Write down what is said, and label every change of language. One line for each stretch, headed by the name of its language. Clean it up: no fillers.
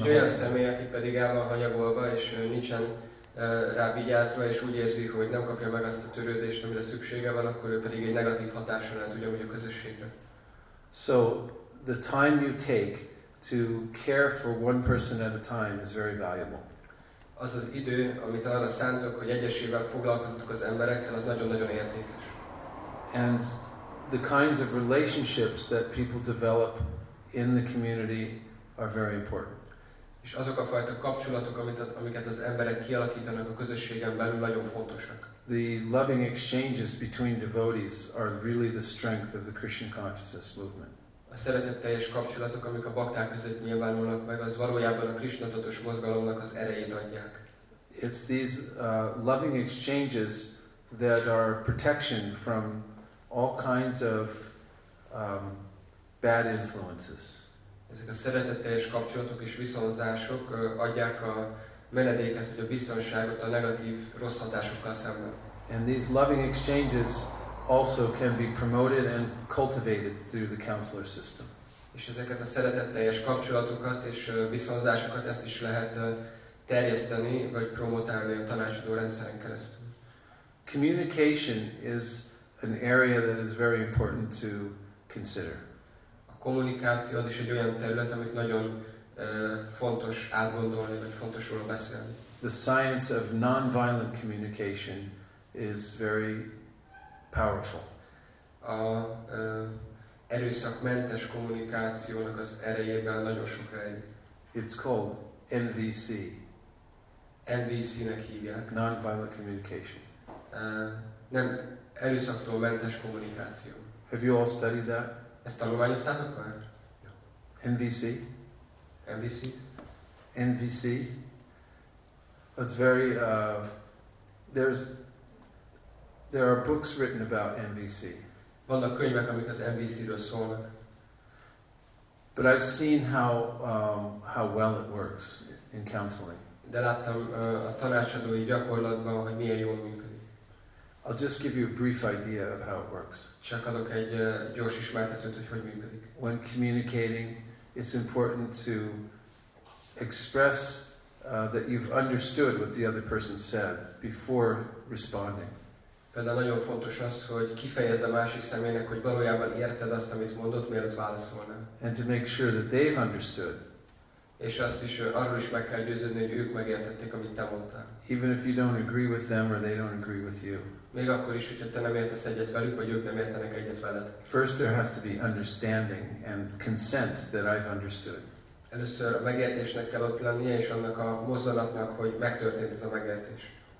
Hungarian: the olyan személy, aki pedig el van hanyagolva és nincsen rá vigyázva és úgy érzi, hogy nem kapja meg azt a törődést, amire szüksége van, akkor ő pedig egy negatív hatással lehet ugyanúgy a közösségre.
English: So the time you take to care for one person at a time is very valuable.
Hungarian: Az az idő, amit arra szántok, hogy egyesével foglalkozzatok az emberekkel, az nagyon-nagyon értékes.
English: And the kinds of relationships that people develop in the community are very important.
Hungarian: És azok a fajta kapcsolatok, amiket az emberek kialakítanak a közösségen belül, nagyon fontosak.
English: The loving exchanges between devotees are really the strength of the Christian consciousness movement.
Hungarian: A szeretetteljes kapcsolatok, amik a bakták között nyilvánulnak meg, az valójában a Krishna tudatos mozgalomnak az erejét adják.
English: It's these loving exchanges that are protection from all kinds of bad influences.
Hungarian: Ezek a szeretetteljes kapcsolatok és viszonzások adják a menedéket, vagy a biztonságot a negatív, rossz hatásokkal szemben.
English: And these loving exchanges also can be promoted and cultivated through the counselor system.
Hungarian: És ezeket a szeretetteljes kapcsolatokat és viszonzásokat ezt is lehet terjeszteni, vagy promotálni a tanácsadó rendszeren keresztül.
English: Communication is an area that is very important to consider.
Hungarian: A kommunikáció az is egy olyan terület, amit nagyon fontos átgondolni, vagy fontos róla beszélni.
English: The science of non-violent communication is very powerful.
Hungarian: A erőszakmentes kommunikációnak az erejében nagyon sok rejlik.
English: It's called NVC.
Hungarian: NVC-nek hívják.
English: Non-violent communication.
Hungarian: Nem erőszaktól mentes kommunikáció.
English: Have you all studied that?
Hungarian: Ezt tanulmányoztátok már?
English: NVC?
Hungarian: NVC?
English: NVC? It's very, there are books written about NVC.
Hungarian: Vannak könyvek, amik az NVC-ről szólnak.
English: But I've seen how well it works in counseling.
Hungarian: De láttam a tanácsadói gyakorlatban, hogy milyen jól működik.
English: I'll just give you a brief idea of how it works.
Hungarian: Csak adok egy gyors ismertetőt, hogy működik.
English: When communicating, it's important to express that you've understood what the other person said before responding.
Hungarian: Például nagyon fontos az, hogy kifejezd a másik személynek, hogy valójában érted azt, amit mondott, mielőtt válaszolnál.
English: And to make sure that they've understood.
Hungarian: És azt is, arról is meg kell győződni, hogy ők megértették, amit te mondtál.
English: Even if you don't agree with them or they don't agree with you.
Hungarian: Még akkor is, hogyha te nem értesz egyet velük, vagy ők nem értenek egyet veled.
English: First there has to be understanding and consent that I've understood.
Hungarian: Először a megértésnek kell ott lennie, és annak a mozzanatnak, hogy megtörtént ez a megértés.